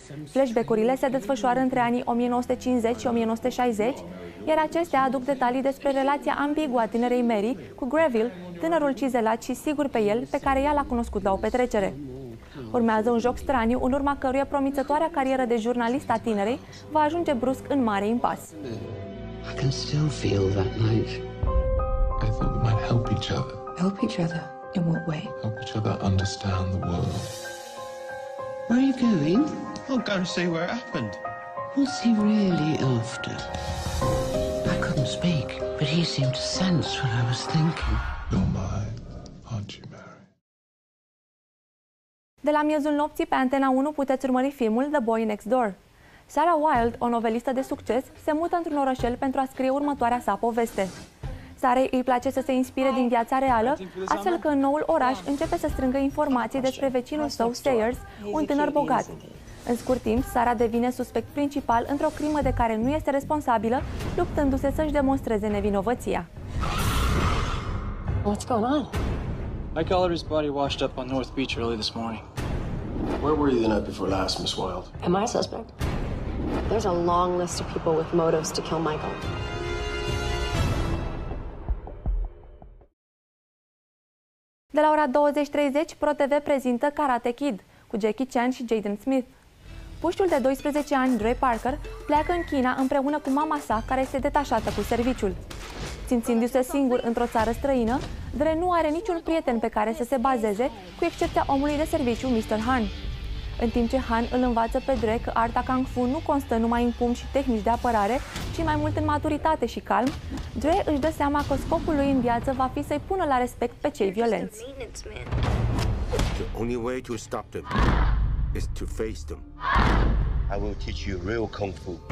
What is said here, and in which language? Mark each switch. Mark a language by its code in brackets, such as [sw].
[ro] Flashback-urile se desfășoară între anii 1950 și 1960, iar acestea aduc detalii despre relația ambiguă a tinerei Mary cu Greville, tânărul cizelat și sigur pe el, pe care ea l-a cunoscut la o petrecere. Urmează un joc straniu, în urma căruia promițătoarea carieră de jurnalist a tinerei va ajunge brusc în mare impas. [en] I can still feel that knife. I thought we might help each other. Help each other? In what way? Help each other understand the world. Where are you going? I'll go and see where it happened. What's he really after? I couldn't speak, but he seemed to sense what I was thinking. You're mine, aren't you, Mary? [ro] De la miezul nopții pe Antena 1 puteți urmări filmul The Boy Next Door. Sarah Wilde, o novelistă de succes, se mută într-un orășel pentru a scrie următoarea sa poveste. Sarei îi place să se inspire din viața reală, astfel că în noul oraș începe să strângă informații despre vecinul său, Sayers, un tânăr bogat. În scurt timp, Sara devine suspect principal într-o crimă de care nu este responsabilă, luptându-se să-și demonstreze nevinovăția. [en] What's going on? Mike Oliver's body washed up on North Beach early this morning. Where were you the night before last, Miss Wilde? Am I a suspect? There's a long list of people with motives to kill Michael. [ro] De la ora 20:30, ProTV prezintă Karate Kid cu Jackie Chan și Jaden Smith. Puștul de 12 ani, Dre Parker, pleacă în China împreună cu mama sa, care este detașată cu serviciul. Simțindu-se singur într-o țară străină, Dre nu are niciun prieten pe care să se bazeze, cu excepția omului de serviciu, Mr. Han. În timp ce Han îl învață pe Dre că arta Kung Fu nu constă numai în pumni și tehnici de apărare, ci mai mult în maturitate și calm, Dre își dă seama că scopul lui în viață va fi să-i pună la respect pe cei violenți. [en] The only way to stop them is to face them. I will teach you real Kung Fu.